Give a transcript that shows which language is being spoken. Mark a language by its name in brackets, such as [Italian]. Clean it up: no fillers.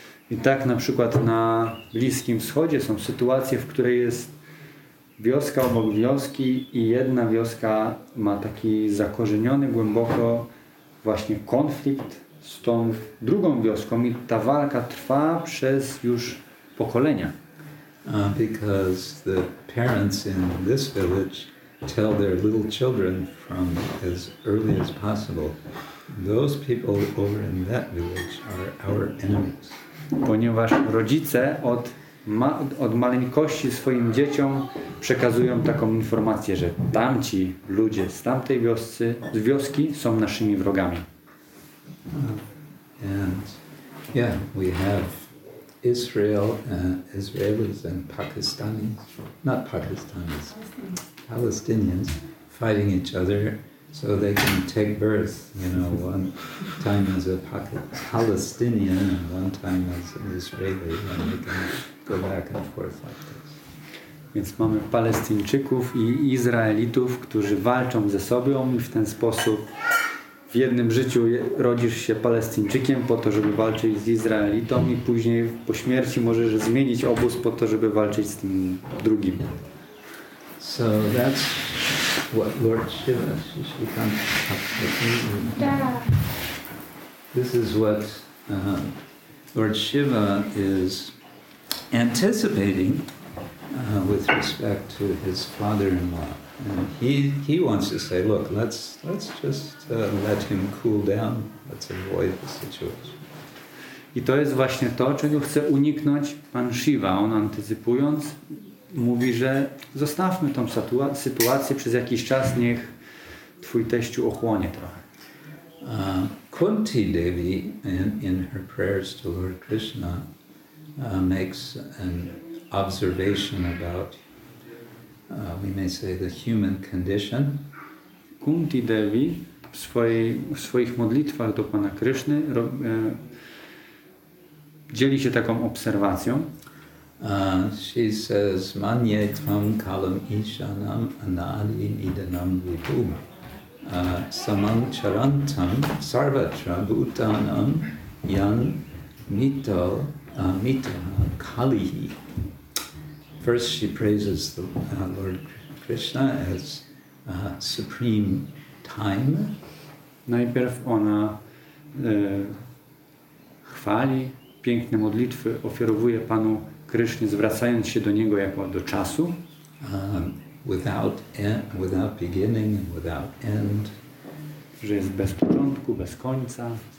[Polish] I tak na przykład na Bliskim Wschodzie są sytuacje, w której jest wioska obok wioski i jedna wioska ma taki zakorzeniony głęboko właśnie konflikt z tą drugą wioską i ta walka trwa przez już pokolenia. [English] Because the parents in this village tell their little children from as early as possible, those people over in that village are our enemies. [Polish] Ponieważ rodzice od maleńkości swoim dzieciom przekazują taką informację, że tamci ludzie z tamtej wioski, z wioski są naszymi wrogami. [English] And yeah, we have Israel, Israelis and Pakistanis, not Pakistanis, Palestinians fighting each other so they can take birth, you know, one time as a Palestinian and one time as an Israeli, and they can go back and forth like this. [Polish] Więc mamy Palestyńczyków i Izraelitów, którzy walczą ze sobą i w ten sposób w jednym życiu rodzisz się Palestyńczykiem po to, żeby walczyć z Izraelitą i później po śmierci możesz zmienić obóz po to, żeby walczyć z tym drugim. [English] So that's what Lord Shiva, she comes up with me. This is what Lord Shiva is anticipating with respect to his father-in-law. And he wants to say, look, let's just let him cool down. Let's avoid the situation. [Polish] I to jest właśnie to, czego chce uniknąć pan Shiva. On antycypując mówi, że zostawmy tą sytuację przez jakiś czas, niech twój teściu ochłonie trochę. [English] Kunti Devi in her prayers to Lord Krishna makes an observation about, we may say, the human condition. [Polish] Kunti Devi w swoich modlitwach do Pana Kryszny dzieli się taką obserwacją. [English] She says, [Sanskrit] manye tvam kalam ishanam anadi nidanam vipu samam charantam sarvatra bhutanam yan mito mitaha kalihi. [English] First she praises the Lord Krishna as supreme time. [Polish] Najpierw ona chwali, piękne modlitwy ofiarowuje Panu Krysznie, zwracając się do Niego jako do czasu. [English] Without beginning and without end. [Polish] Że jest bez początku, bez końca.